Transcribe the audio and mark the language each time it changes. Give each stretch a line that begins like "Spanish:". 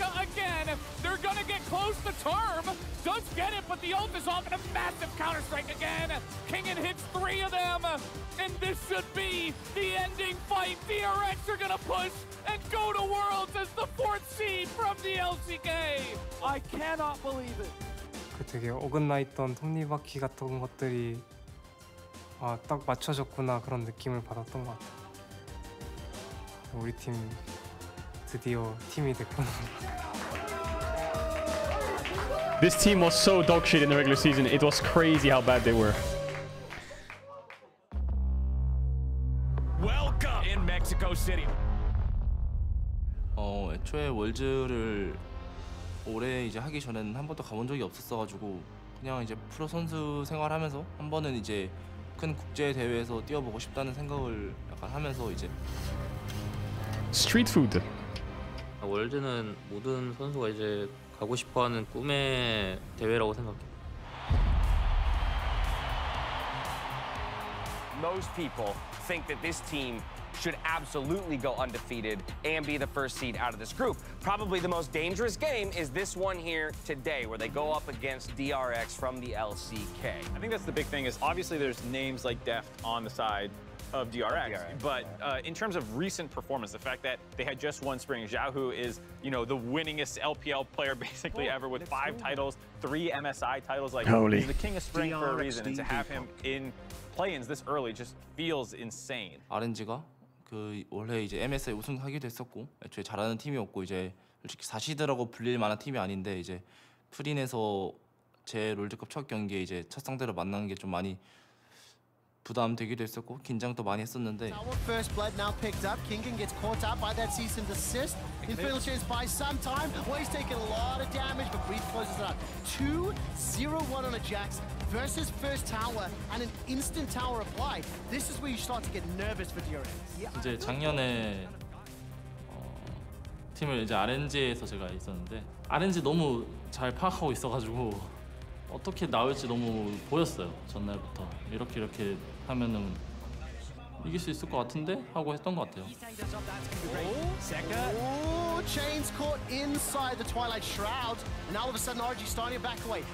English: Again, they're gonna get close to Term. Does get it, but the ult is off and a massive counter strike again. Kingen hits three of them, and this should be the ending fight. DRX are gonna push and go to Worlds as the fourth seed from the LCK. I cannot believe it.
Korean: 그 되게 어긋나 있던 톱니바퀴 같은 것들이 아, 딱 맞춰졌구나 그런 느낌을 받았던 것 같아요. 우리 팀 드디어 팀이 됐구나.
English: This team was so dog shit in the regular season. It was crazy how bad they were. Welcome in Mexico City.
Korean: 애초에 월즈를 올해 이제 하기 전에는 한 번도 가본 적이 없었어가지고 그냥 이제 프로 선수 생활하면서 한 번은 이제 큰 국제 대회에서 뛰어보고 싶다는 생각을 약간 하면서 이제 스트리트 푸드 월드는 모든 선수가 이제 가고 싶어하는 꿈의 대회라고 생각해.
English: Most people think that this team should absolutely go undefeated and be the first seed out of this group. Probably the most dangerous game is this one here today, where they go up against DRX from the LCK. I think that's the big thing is obviously there's names like Deft on the side of DRX, in terms of recent performance, the fact that they had just won Spring, Zhao Hu is, you know, the winningest LPL player basically ever with five titles, three MSI titles, like Holy. He's the king of Spring DRX for a reason, DRX. And to have him in play-ins this early just feels insane.
Korean: RNG가? 그 원래 이제 MSI 우승하기도 했었고 애초에 잘하는 팀이었고 이제 솔직히 4시드라고 불릴 만한 팀이 아닌데 이제 프린에서 제 롤드컵 첫 경기에 이제 첫 상대로 만난 게 좀 많이 부담되기도 했었고 긴장도 많이 했었는데
English: First blood now picked up. Kingen gets caught up by that cease and desist. Infiltrates by some time. Well, he's taking a lot of damage, but Breed closes it up. 2-0-1 on a Jax versus first tower and an instant tower apply. This is where you start to get nervous for DRX.
Korean: 이제 작년에 팀을 이제 RNG에서 제가 있었는데 RNG 너무 잘 파악하고 있어가지고 어떻게 나올지 너무 보였어요. 전날부터 이렇게 이렇게 하면은 이길 수 있을 것 같은데 하고 했던 것 같아요.
English: 오, chains caught inside the twilight shroud, and all of a sudden RNG starting to back away.